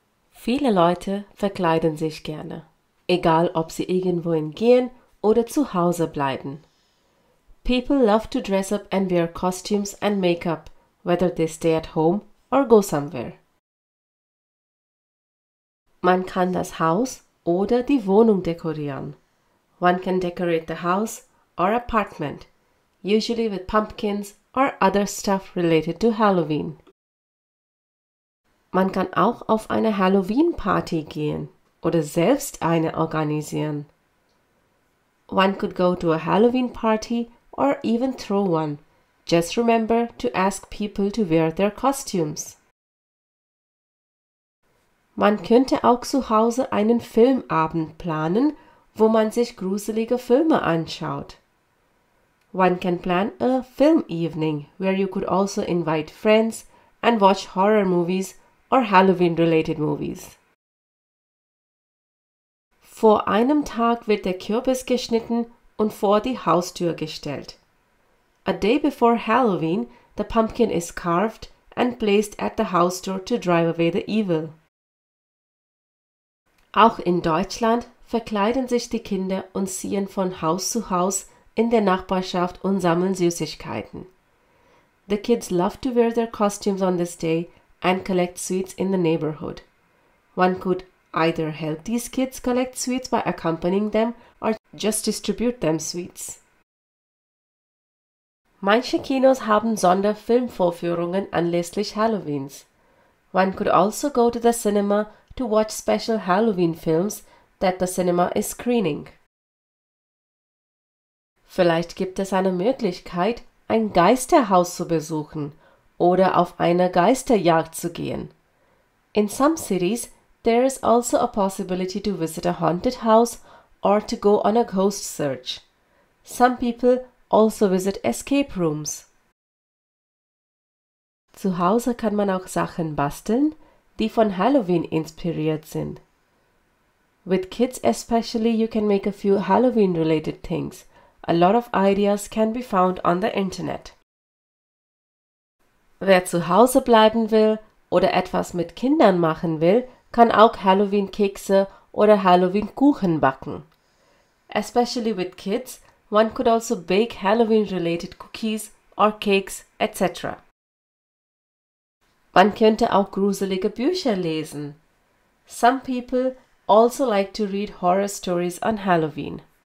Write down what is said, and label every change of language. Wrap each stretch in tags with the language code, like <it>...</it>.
<de>Viele Leute verkleiden sich gerne. Egal, ob sie irgendwohin gehen oder zu Hause bleiben.</de> <en>People love to dress up and wear costumes and makeup, whether they stay at home or go somewhere.</en> <de>Man kann das Haus oder die Wohnung dekorieren.</de> <en>One can decorate the house or apartment, usually with pumpkins or other stuff related to Halloween.</en> <de>Man kann auch auf eine Halloween-Party gehen oder selbst eine organisieren.</de> <en>One could go to a Halloween party or even throw one. Just remember to ask people to wear their costumes.</en> <de>Man könnte auch zu Hause einen Filmabend planen, wo man sich gruselige Filme anschaut.</de> <en>One can plan a film evening where you could also invite friends and watch horror movies or Halloween-related movies.</en> <de>Vor einem Tag wird der Kürbis geschnitten und vor die Haustür gestellt.</de> <en>A day before Halloween, the pumpkin is carved and placed at the house door to drive away the evil.</en> <de>Auch in Deutschland verkleiden sich die Kinder und ziehen von Haus zu Haus in der Nachbarschaft und sammeln Süßigkeiten.</de> <en>The kids love to wear their costumes on this day and collect sweets in the neighborhood. One could either help these kids collect sweets by accompanying them or just distribute them sweets.</en> <de>Manche Kinos haben Sonderfilmvorführungen anlässlich Halloweens.</de> <en>One could also go to the cinema to watch special Halloween films that the cinema is screening.</en> <de>Vielleicht gibt es eine Möglichkeit, ein Geisterhaus zu besuchen oder auf eine Geisterjagd zu gehen.</de> <en>In some cities, there is also a possibility to visit a haunted house or to go on a ghost search. Some people also visit escape rooms.</en> <de>Zu Hause kann man auch Sachen basteln, die von Halloween inspiriert sind.</de> <en>With kids especially, you can make a few Halloween-related things. A lot of ideas can be found on the internet.</en> <de>Wer zu Hause bleiben will oder etwas mit Kindern machen will, kann auch Halloween-Kekse oder Halloween-Kuchen backen.</de> <en>Especially with kids, one could also bake Halloween-related cookies or cakes, etc.</en> <de>Man könnte auch gruselige Bücher lesen.</de> <en>Some people also like to read horror stories on Halloween.</en>